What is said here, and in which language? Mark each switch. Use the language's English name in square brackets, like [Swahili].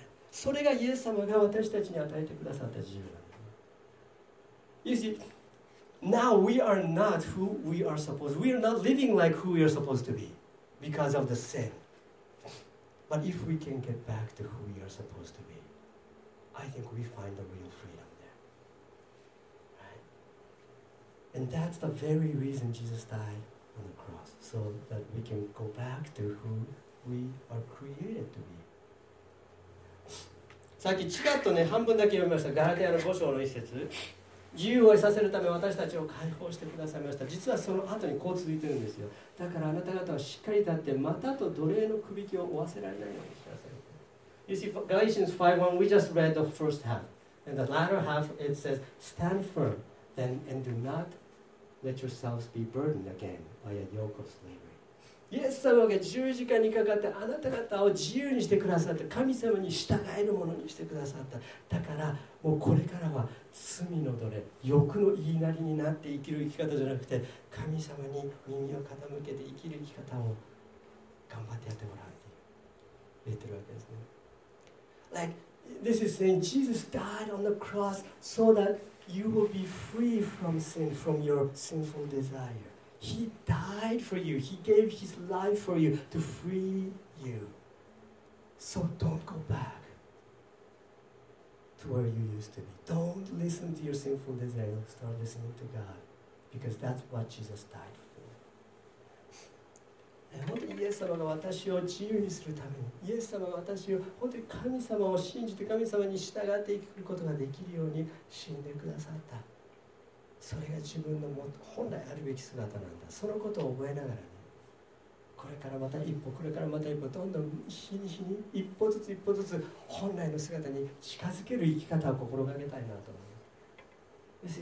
[Japanese] それがイエス様が私たちに与えてくださった自由なんです。 [English] You see? Now we are not who we are supposed to be. We are not living like who we are supposed to be because of the sin. But if we can get back to who we are supposed to be, I think we find the real freedom there. Right? And that's the very reason Jesus died on the cross, so that we can go back to who we are created to be. [Japanese] さっきチカッとね、半分だけ読みました。ガラテヤの5章の1節。自由を得させるため私たちを解放してくださいました。実はその後にこう続いてるんですよ。だからあなた方はしっかり立って、またと奴隷の首輝きを負わせられないようにしなさい。 [English] You see, Galatians 5:1, we just read the first half. And the latter half, it says, stand firm then and do not let yourselves be burdened again by a yoke of slavery. [Japanese] イエス様が十字架にかかってあなた方を自由にしてくださった、神様に従えるものにしてくださった。だからもうこれからは罪の奴隷、欲の言いなりになって生きる生き方じゃなくて、神様に耳を傾けて生きる生き方を頑張ってやってもらうと言ってるわけですね。 [English] Like, this is saying Jesus died on the cross so that you will be free from sin, from your sinful desire. He died for you. He gave his life for you to free you. So don't go back. Where you used to be. Don't listen to your sinful desire. Start listening to God, because that's what Jesus died for. [Japanese] 本当にイエス様が私を自由にするために、イエス様が私を本当に神様を信じて神様に従って生きることができるように死んでくださった。それが自分の本来あるべき姿なんだ。そのことを覚えながら、ね、これからまた一歩、これからまた一歩、どんどん日に日に一歩ずつ一歩ずつ本来の姿に近づける生き方を心がけたいなと思います。